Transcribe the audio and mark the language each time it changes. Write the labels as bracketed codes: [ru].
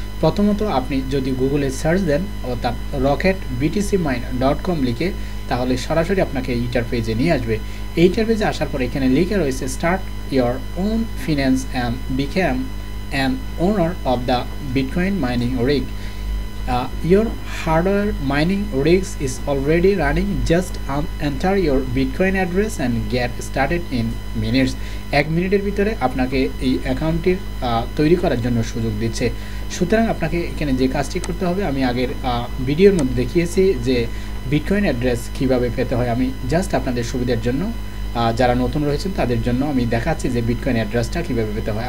[bn] প্রথমত আপনি যদি গুগলে সার্চ দেন অর্থাৎ rocketbtcmine.com লিখে, তাহলে সরাসরি আপনাকে ইন্টারফেসে নিয়ে আসবে। ইন্টারফেসে আসার পর এখানে লেখা রয়েছে [en] Start your own finance and become an owner of the Bitcoin mining rig. Your hardware mining rigs is already running, just enter your Bitcoin address and get started in minutes. [bn] এক মিনিটের ভিতরে আপনাকে এই অ্যাকাউন্টটির তৈরি করার জন্য সুযোগ দিচ্ছে। সুতরাং আপনাকে এখানে যে কাজটি করতে হবে, আমি আগের ভিডিওর মধ্যে দেখিয়েছি যে বিটকয়েন অ্যাড্রেস কীভাবে পেতে হয়। আমি জাস্ট আপনাদের সুবিধার জন্য, যারা নতুন রয়েছেন তাদের জন্য আমি দেখাচ্ছি যে বিটকয়েন অ্যাড্রেসটা কীভাবে পেতে হয়।